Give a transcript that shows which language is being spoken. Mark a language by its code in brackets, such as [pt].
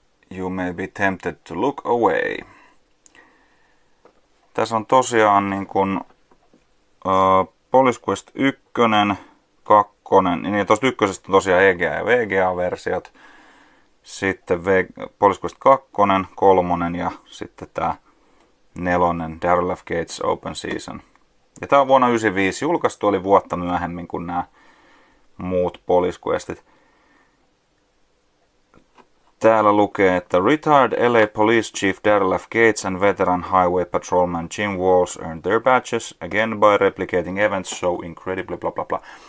[en] You may be tempted to look away. [fi] Tässä on tosiaan niin kuin Police Quest 1, 2, niin tosta 1 on tosiaan EGA ja VGA-versiot. Sitten Police Quest 2, 3 ja sitten tämä 4, Daryl F. Gates Open Season. Ja tämä on vuonna 95 julkaistu, oli vuotta myöhemmin kuin nämä muut Police Questit. Täällä lukee, että [en] Retired LA Police Chief Daryl F. Gates and veteran Highway Patrolman Jim Walls earned their badges again by replicating events so incredibly bla bla bla.